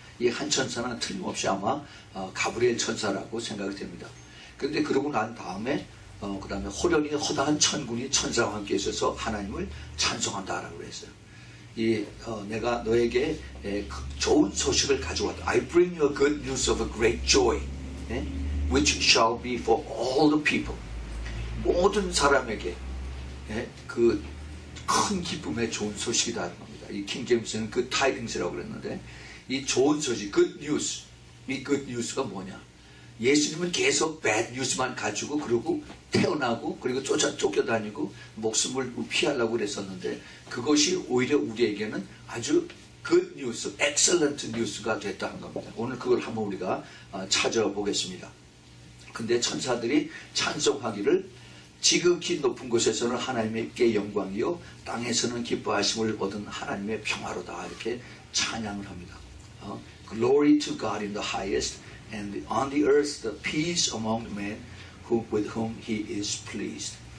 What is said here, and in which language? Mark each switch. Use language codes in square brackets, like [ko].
[ko] 이 한 천사는 틀림없이 아마 가브리엘 천사라고 생각이 됩니다. 그런데 그러고 난 다음에 그 다음에 호련히 허다한 천군이 천사와 함께 있어서 하나님을 찬송한다라고 했어요. 내가 너에게 좋은 소식을 가져왔다. [en] I bring you a good news of a great joy, which shall be for all the people. [ko] 모든 사람에게 그 큰 기쁨의 좋은 소식이다 하는 겁니다. 이 킹 제임스는 그 타이딩스라고 그랬는데, 이 좋은 소식, good news, 이 good news가 뭐냐? 예수님은 계속 bad news만 가지고 그리고 태어나고 그리고 쫓겨다니고 목숨을 피하려고 그랬었는데, 그것이 오히려 우리에게는 아주 good news, excellent news가 됐다는 겁니다. 오늘 그걸 한번 우리가 찾아보겠습니다. 근데 천사들이 찬송하기를, 지극히 높은 곳에서는 하나님께 영광이요 땅에서는 기뻐하심을 얻은 하나님의 평화로다, 이렇게 찬양을 합니다. [en] Glory to God in the highest, and on the earth the peace among men with whom he is pleased.